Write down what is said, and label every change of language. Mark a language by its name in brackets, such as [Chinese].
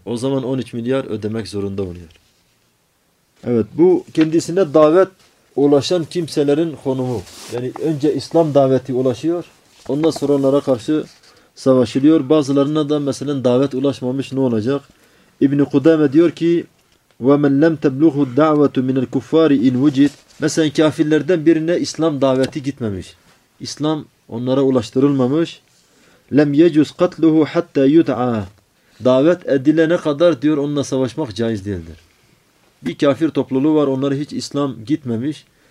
[Turkish] O zaman 13 milyar ödemek zorunda oluyor. Evet, bu kendisine davet ulaşan kimselerin konumu. Yani önce İslam daveti ulaşıyor. Ondan sonra onlara karşı savaşılıyor. Bazılarına da mesela davet ulaşmamış, ne olacak? İbn-i Kudame diyor ki [Arabic] وَمَنْ لَمْ تَبْلُغُ الدَّعْوَةُ مِنَ الْكُفَّارِ اِنْ وُجِدْ. [Turkish] Mesela kafirlerden birine İslam daveti gitmemiş. İslam onlara ulaştırılmamış. [Arabic] لَمْ يَجُزْ قَتْلُهُ حَتَّى يُدْعَى. [Turkish] Davet edilene kadar diyor onunla savaşmak caiz değildir. Bir kafir topluluğu var, onlara hiç İslam gitmemiş.